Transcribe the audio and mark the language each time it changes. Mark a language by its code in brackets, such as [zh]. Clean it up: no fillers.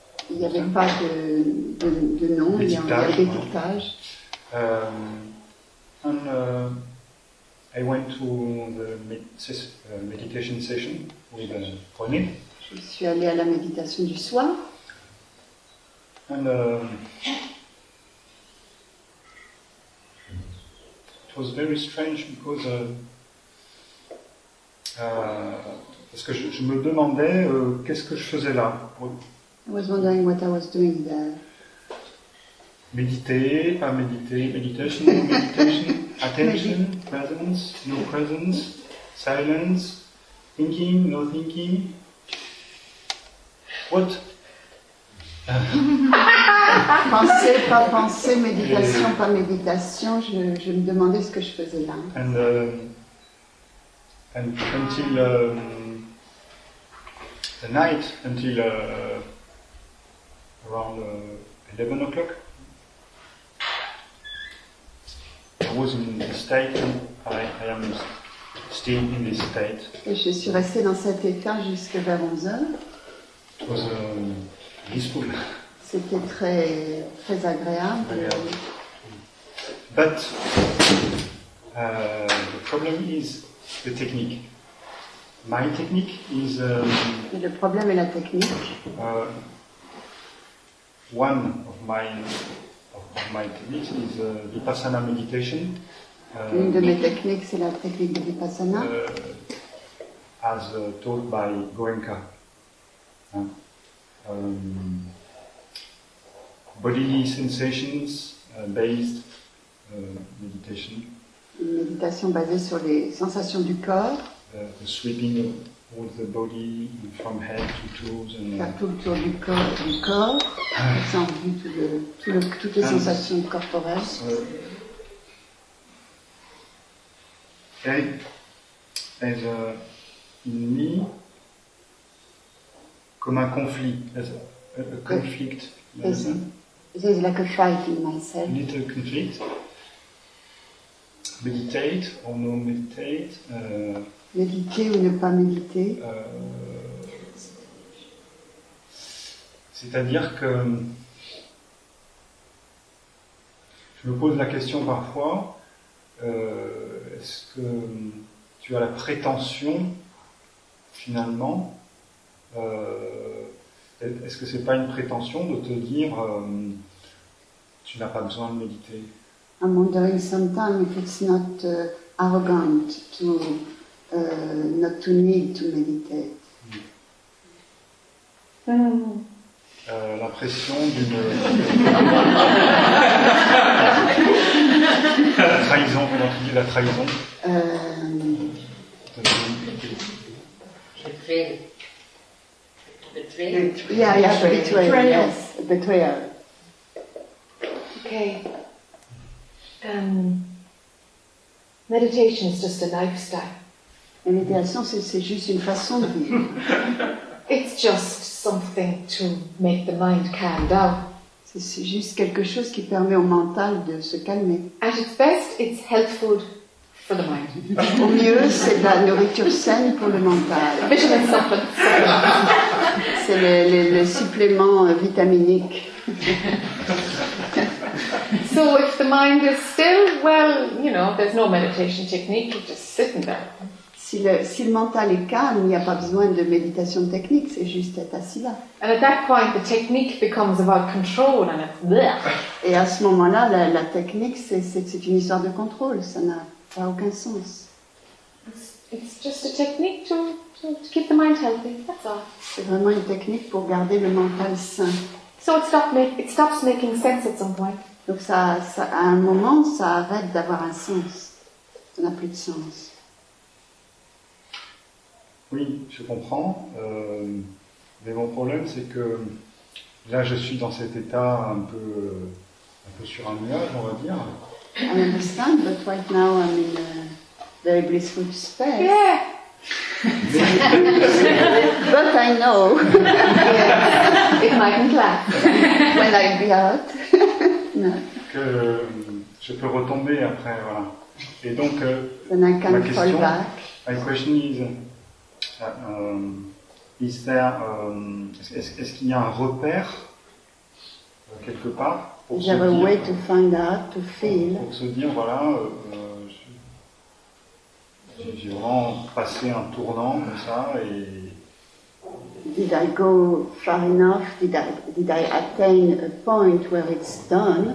[fr] Il n'y avait pas de nom, il y avait des étiquetages. [en] And I went to the meditation session with René. [fr] Je suis allé à la méditation du soir. [en] And it was very strange because [fr] parce que je me demandais qu'est-ce que je faisais là. [en] I was wondering what I was doing there. [fr] Méditer, pas méditer, [en] meditation, no meditation, attention, presence, no presence, silence, thinking, no thinking. What? [fr] Penser, pas penser, méditation, pas méditation, je me demandais ce que je faisais là. [en] And until the night, until around 11 o'clock. I was in this state, and I am still in this state. [fr] Et je suis resté dans cet état jusque vers 11 heures. [en] It was peaceful. [fr] C'était très très agréable. [en] But the problem is the technique. My technique is. [fr] Et le problème est la technique. [en] One of my techniques is vipassana meditation. [fr] Une de mes techniques, c'est la technique de vipassana. [en] As taught by Goenka. Bodily sensations based meditation. [fr] Une méditation basée sur les sensations du corps. [en] The sweeping of the body from head to toes and. [fr] Faire tout le tour du corps. Du corps. Sans vue toutes les sensations corporelles. [en] There's in me [fr] comme un conflit, [en] a conflict. There's like a fight in myself. Little conflict. Meditate or no meditate. [fr] Méditer ou ne pas méditer. C'est-à-dire que je me pose la question parfois, est-ce que tu as la prétention, finalement, est-ce que ce n'est pas une prétention de te dire tu n'as pas besoin de méditer? [en] I'm wondering sometimes if it's not arrogant to not to need to meditate. [fr] L'impression d'une trahison, comment tu dis la trahison? [en] Betrayal. Okay. Meditation is just a lifestyle. [fr] La méditation, c'est juste une façon de vivre. [en] It's just something to make the mind calm down. [fr] C'est juste quelque chose qui permet au mental de se calmer. [en] At its best, it's health food for the mind. [fr] Au mieux, c'est de la nourriture saine pour le mental. [en] Vitamin supplements. [fr] C'est le supplément vitaminique. [en] So if the mind is still, well, you know, there's no meditation technique, you're just sitting there. [fr] Si le mental est calme, il n'y a pas besoin de méditation technique, c'est juste être assis là. [en] And at that point, the technique becomes about control, and it's there. [fr] Et à ce moment-là, la technique, c'est une histoire de contrôle, ça n'a pas aucun sens. [en] It's just a technique to keep the mind healthy, that's all. [fr] C'est vraiment une technique pour garder le mental sain. [en] So it stops making sense at some point. [fr] Donc ça, à un moment, ça arrête d'avoir un sens. Ça n'a plus de sens. Oui, je comprends. Mais mon problème, c'est que là, je suis dans cet état un peu sur un nuage, on va dire. [en] I understand, but right now I'm in a very blissful space. Yeah. But I know. Yeah. It mightn't last when I be out. [fr] Que je peux retomber après, voilà. Et donc, [en] my question is. [fr] Est-ce qu'il y a un repère quelque part pour se dire, [en] way to find out, to feel. [fr] Pour se dire voilà, j'ai vraiment passé un tournant comme ça et. [en] Did I go far enough? Did I attain a point where it's done?